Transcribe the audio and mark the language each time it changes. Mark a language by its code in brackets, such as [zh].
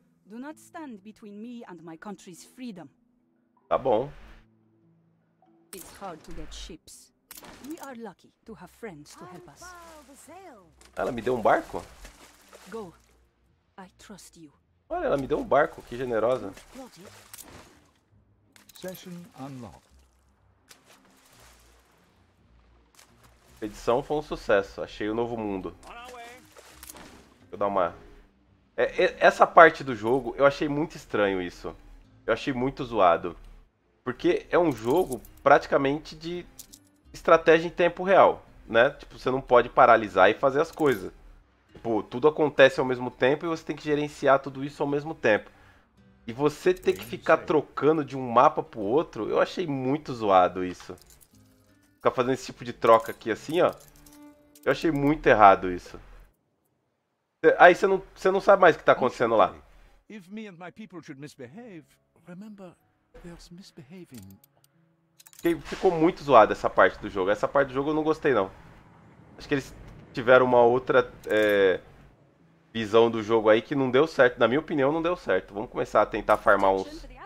[en] Do not stand between me and my country's freedom. [pt] Tá bom. [en] It's hard to get ships. We are lucky to have friends to help us. [pt] Ela me deu um barco? [en] Go. I trust you. [pt] Olha, ela me deu um barco, que generosa. [en] Session unlocked. [pt] Edição foi um sucesso. Achei o novo mundo. Vou dar uma... essa parte do jogo, eu achei muito estranho isso. Eu achei muito zoado. Porque é um jogo praticamente de estratégia em tempo real, né? Tipo, você não pode paralisar e fazer as coisas. Tipo, tudo acontece ao mesmo tempo e você tem que gerenciar tudo isso ao mesmo tempo. E você ter que ficar trocando de um mapa pro outro, eu achei muito zoado isso. Ficar fazendo esse tipo de troca aqui assim, ó. Eu achei muito errado isso. Aí você não sabe mais o que tá acontecendo lá. [en] If me and my people should misbehave, remember there's misbehaving. [pt] Ficou muito zoada essa parte do jogo. Essa parte do jogo eu não gostei, não. Acho que eles tiveram uma outra visão do jogo aí que não deu certo. Na minha opinião, não deu certo. Vamos começar a tentar farmar uns...